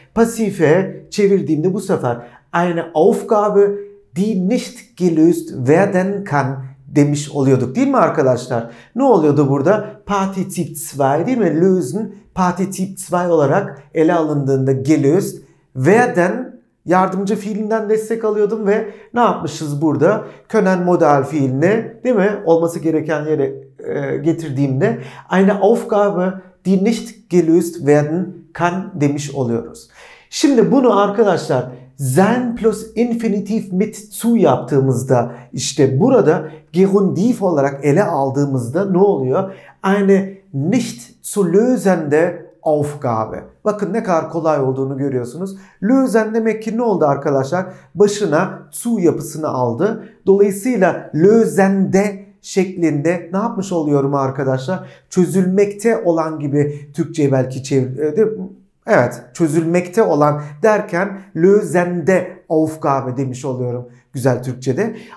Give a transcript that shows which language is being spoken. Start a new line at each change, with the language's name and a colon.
Turkish: Pasife çevirdiğimde bu sefer
German: eine Aufgabe, die nicht gelöst werden kann
Turkish: demiş oluyorduk değil mi arkadaşlar? Ne oluyordu burada? Partizip 2 değil mi? Lösen partizip 2 olarak ele alındığında
German: gelöst werden
Turkish: yardımcı fiilinden destek alıyordum ve ne yapmışız burada? Können modal fiilini değil mi? Olması gereken yere getirdiğimde
German: eine Aufgabe, die nicht gelöst werden kann
Turkish: demiş oluyoruz. Şimdi bunu arkadaşlar sein plus infinitiv mit zu yaptığımızda, işte burada gerundiv olarak ele aldığımızda ne oluyor?
German: Eine nicht zu lösende Aufgabe.
Turkish: Bakın ne kadar kolay olduğunu görüyorsunuz. Lösen demek ki ne oldu arkadaşlar? Başına zu yapısını aldı. Dolayısıyla lösende şeklinde ne yapmış oluyorum arkadaşlar? Çözülmekte olan gibi Türkçe'ye belki evet, çözülmekte olan derken
German: lösende Aufgabe
Turkish: demiş oluyorum güzel Türkçe'de.